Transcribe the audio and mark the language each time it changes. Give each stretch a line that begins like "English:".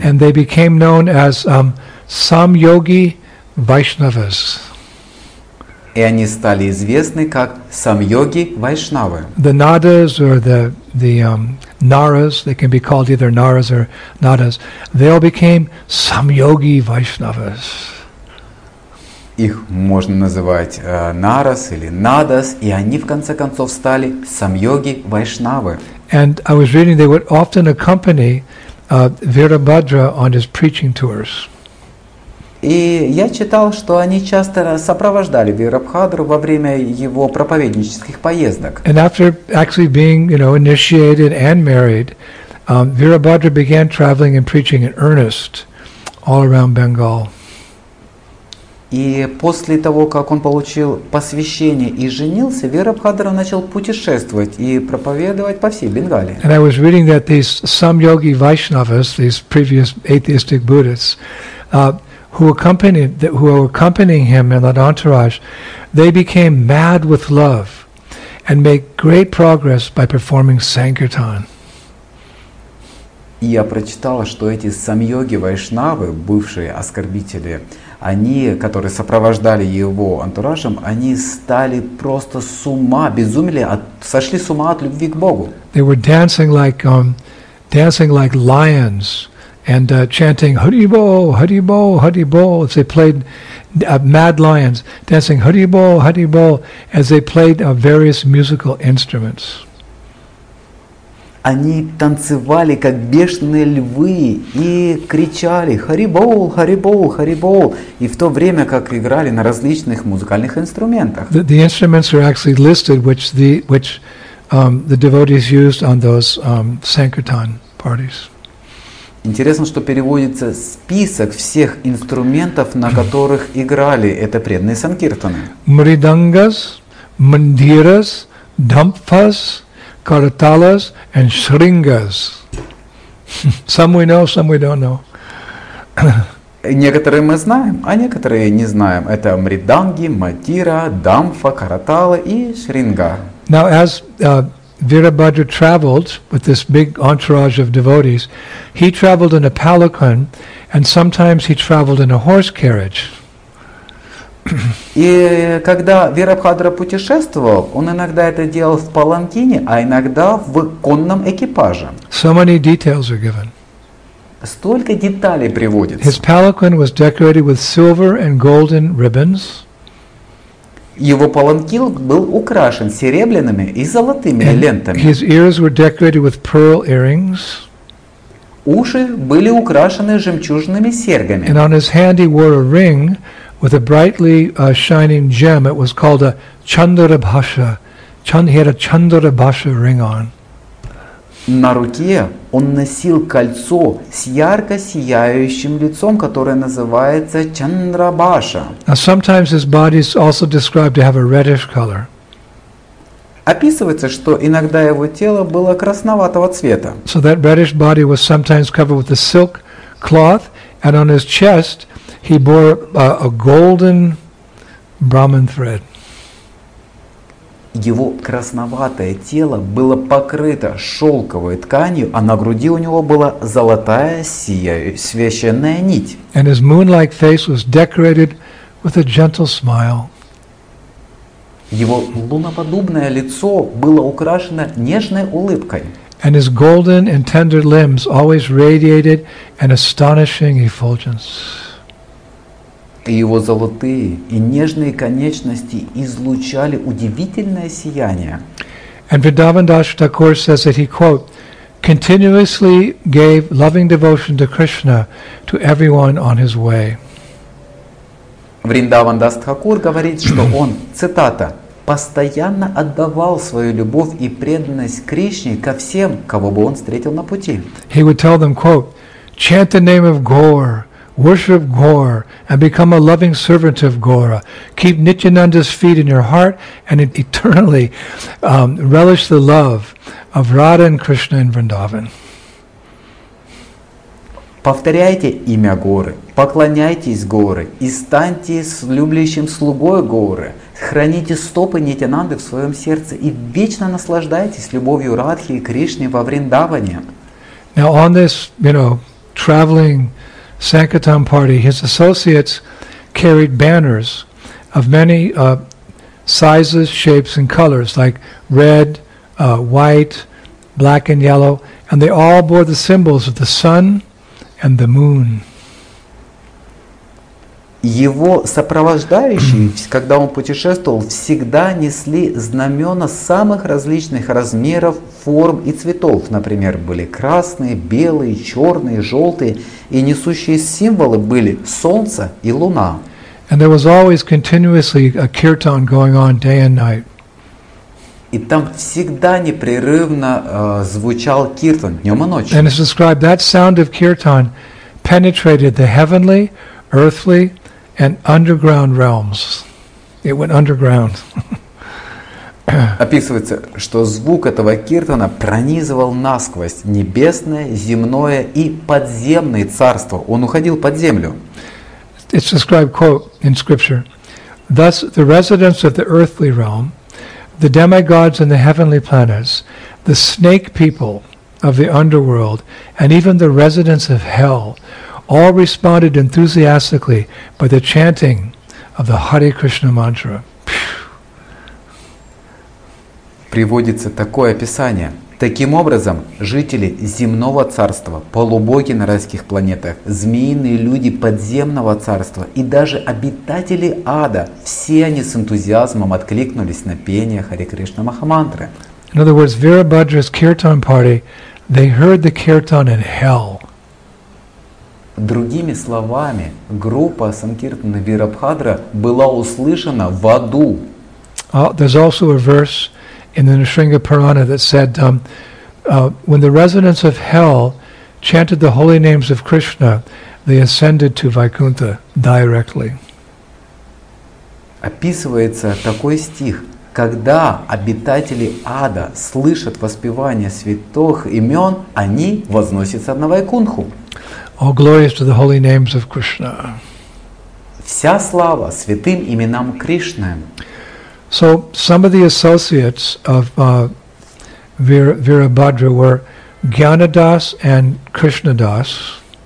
English: And they became known as some yogi Vaishnavas.
Russian: И они стали известны как самьоги вайшнавы.
English: The Nadas or the Naras, they can be called either Naras or Nadas, they all became samyogi Vaishnavas.
Russian: Их можно называть Нарас или Надас, и они в конце концов стали самьоги вайшнавы.
English: And I was reading they would often accompany Virabhadra on his preaching tours.
Russian: И я читал, что они часто сопровождали Вирабхадру во время его проповеднических поездок.
English: And after actually being, you know, initiated and married, Virabhadra began traveling and preaching in earnest all around Bengal.
Russian: И после того, как он получил посвящение и женился, Вирабхадра начал путешествовать и проповедовать по всей Бенгалии.
English: And I was reading that these samyogi Vaishnavas, these previous atheistic Buddhists, who were accompanying him in that entourage, they became mad with love and make great progress by performing sankirtan.
Russian: Я прочитал, что эти самьоги вайшнавы, бывшие оскорбители, они, которые сопровождали его антуражем, они стали просто с ума, безумели, сошли с ума от любви к Богу.
English: They were dancing like lions. And chanting Haribo, Haribo, Haribo, as they played Mad Lions, dancing Haribo, Haribo, as they played various musical instruments.
Russian: Они танцевали как бешеные львы и кричали Haribo, Haribo, Haribo, и в то время как играли на различных музыкальных инструментах.
English: The instruments are actually listed, which the devotees used on those sankirtan parties.
Russian: Интересно, что переводится список всех инструментов, на которых играли это преданные санкиртаны. Мридангас, мандирас, дампфас, карталас и шрингас.
English: Some we know, some we don't know.
Russian: Некоторые мы знаем, а некоторые не знаем. Это мриданги, мандира, дампфа, караталы и шринга.
English: Now, as Virabhadra traveled with this big entourage of devotees. He traveled in a palanquin, and sometimes he traveled in a horse carriage.
Russian: И когда Вирабхадра путешествовал, он иногда это делал в паланкине, а иногда в конном экипаже.
English: So many details are given.
Russian: Столько деталей приводится.
English: His palanquin was decorated with silver and golden ribbons.
Russian: Его паланкин был украшен серебряными и золотыми лентами.
English: His ears were decorated with pearl earrings.
Russian: Уши были украшены жемчужными серьгами.
English: And on his hand he wore a ring with a brightly shining gem. It was called a Chandrabhasha. He had a Chandrabhasha ring on.
Russian: На руке он носил кольцо с ярко сияющим лицом, которое называется Чандрабаша.
English: Now sometimes his body is also described to have a reddish color.
Russian: Описывается, что иногда его тело было красноватого цвета.
English: So that reddish body was sometimes covered with a silk cloth, and on his chest he bore a golden Brahman thread.
Russian: Его красноватое тело было покрыто шелковой тканью, а на груди у него была золотая священная нить.
English: And his moon-like face was decorated with a gentle smile.
Russian: Его луноподобное лицо было украшено нежной улыбкой.
English: And his golden and tender limbs always radiated an astonishing effulgence.
Russian: И его золотые и нежные конечности излучали удивительное сияние.
English: And Vrindavan Das Thakur says that he, quote, continuously gave loving devotion to Krishna to everyone on his way.
Russian: Vrindavan Das Thakur говорит, что он, цитата, постоянно отдавал свою любовь и преданность Кришне ко всем, кого бы он встретил на пути.
English: He would tell them, quote, chant the name of Gaur, worship Gaur and become a loving servant of Gaura. Keep Nityananda's feet in your heart and eternally relish the love of Radha and Krishna in Vrindavan.
Russian: Повторяйте имя Горы, поклоняйтесь Горы и станьте любящим слугой Горы. Храните стопы Нитянанды в своем сердце и вечно наслаждайтесь любовью Радхи и Кришны во Вриндаване.
English: Now on this, you know, traveling Sankirtan party, his associates carried banners of many sizes, shapes, and colors, like red, white, black, and yellow, and they all bore the symbols of the sun and the moon.
Russian: Его сопровождающие, когда он путешествовал, всегда несли знамена самых различных размеров, форм и цветов. Например, были красные, белые, черные, желтые. И несущие символы были солнце и луна.
English: And there was always continuously a kirtan going on day and night.
Russian: И там всегда непрерывно звучал киртан днем и ночью.
English: And it's described that sound of kirtan penetrated the heavenly, earthly, and underground realms. It went underground.
Russian: Описывается, что звук этого киртана пронизывал насквозь небесное, земное и подземное царство. Он уходил под землю.
English: It's described, quote, in scripture, "Thus the residents of the earthly realm, the demigods and the heavenly planets, the snake people of the underworld, and even the residents of hell, all responded enthusiastically by the chanting of the Hare Krishna mantra."
Russian: Приводится такое описание. Таким образом, жители земного царства, полубоги на райских планетах, змеиные люди подземного царства и даже обитатели ада, все они с энтузиазмом откликнулись на пение Hare Krishna Mahamantra.
English: In other words, Virabhadra's kirtan party, they heard the kirtan in hell.
Russian: Другими словами, группа санкиртаны Вирабхадра была услышана в аду.
English: There's also a verse in the Nrisinga Purana that said, when the residents of hell chanted the holy names of Krishna, they ascended to Vaikuntha directly.
Russian: Описывается такой стих: когда обитатели ада слышат воспевание святых имен, они возносятся на Вайкунху.
English: All glories to the holy names of Krishna.
Russian: Вся слава святым именам Кришны.
English: So some of the associates of Virabhadra were Gyanadas and Krishnadas.